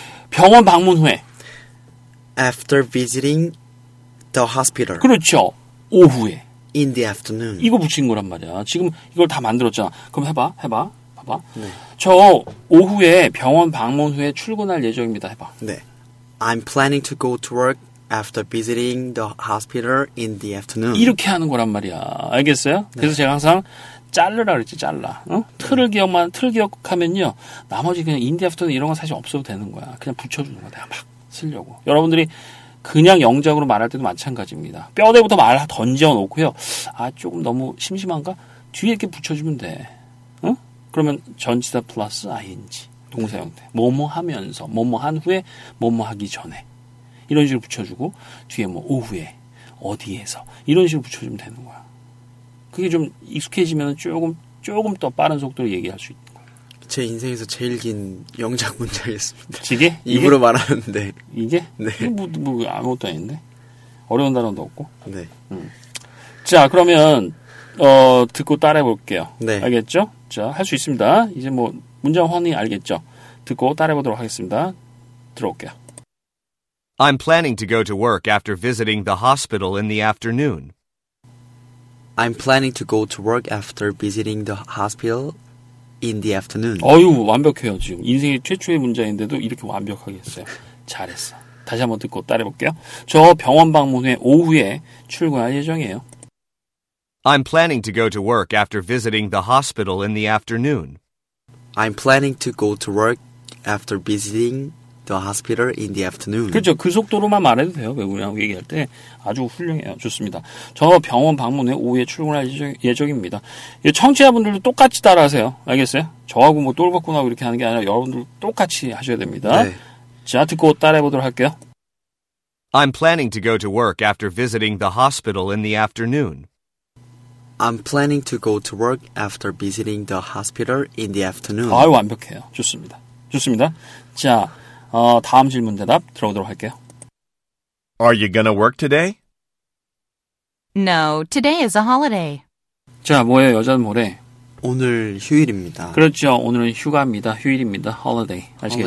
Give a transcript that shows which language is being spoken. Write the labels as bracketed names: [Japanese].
[Korean] 병원 방문 후에. [English] After visiting the hospital. [Korean] 그렇죠. 오후에. [English] In the afternoon. [Korean] 이거 붙인 거란 말이야. 지금 이걸 다 만들었잖아. 그럼 해봐. 해봐. 봐봐. 네. 저 오후에 병원 방문 후에 출근할 예정입니다. 해봐. 네. [English] I'm planning to go to work after visiting the hospital in the afternoon. [Korean] 이렇게 하는 거란 말이야. 알겠어요? 그래서 네. 제가 항상 잘라라 그랬지, 잘라. 어? 틀을 기억만, 틀 기억하면요. 나머지 그냥 인디 애프터는 이런 건 사실 없어도 되는 거야. 그냥 붙여주는 거야. 내가 막 쓰려고. 여러분들이 그냥 영작으로 말할 때도 마찬가지입니다. 뼈대부터 말 던져 놓고요. 아, 조금 너무 심심한가? 뒤에 이렇게 붙여주면 돼. 응? 그러면 전치사 플러스 ing. 동사 형태. 뭐뭐 하면서, 뭐뭐 한 후에, 뭐뭐 하기 전에. 이런 식으로 붙여주고, 뒤에 뭐, 오후에, 어디에서. 이런 식으로 붙여주면 되는 거야. 그게 좀 익숙해지면 조금 더 빠른 속도로 얘기할 수 있는 거야. 제 인생에서 제일 긴 영작 문장이었습니다. 이게? 입으로 말하는데. 이게? 네. 뭐, 아무것도 아닌데. 어려운 단어도 없고. 네. 자, 그러면, 듣고 따라 해볼게요. 네. 알겠죠? 자, 할 수 있습니다. 이제 뭐, 문장 환희 알겠죠? 듣고 따라해보도록 하겠습니다. 들어올게요. [English] I'm planning to go to work after visiting the hospital in the afternoon. I'm planning to go to work after visiting the hospital in the afternoon. [Korean] 어휴, 완벽해요, 지금. 인생의 최초의 문장인데도 이렇게 완벽하게 했어요. 잘했어. 다시 한번 듣고 따라해볼게요. 저 병원 방문 후에 오후에 출근할 예정이에요. [English] I'm planning to go to work after visiting the hospital in the afternoon. I'm planning to go to work after visiting the hospital in the afternoon. [Korean] 그렇죠. 그 속도로만 말해도 돼요. 외국인하고 얘기할 때 아주 훌륭해요. 좋습니다. 저 병원 방문 후에 오후에 출근할 예정입니다. 청취자분들도 똑같이 따라하세요. 알겠어요? 저하고 뭐 똘벅구나고 이렇게 하는 게 아니라 여러분들도 똑같이 하셔야 됩니다. 네. 자, 듣고 따라해보도록 할게요. [English] I'm planning to go to work after visiting the hospital in the afternoon. I'm planning to go to work after visiting the hospital in the afternoon. [Korean] 아, 완벽해요. 좋습니다. 좋습니다. 자, 다음 질문 대답 들어보도록 할게요. Are you gonna work today? No, today is a holiday. 자, 뭐예요? 여자는 뭐래? 오늘 휴일입니다. 그렇죠. 오늘은 휴가입니다. 휴일입니다. Holiday. 아시겠죠?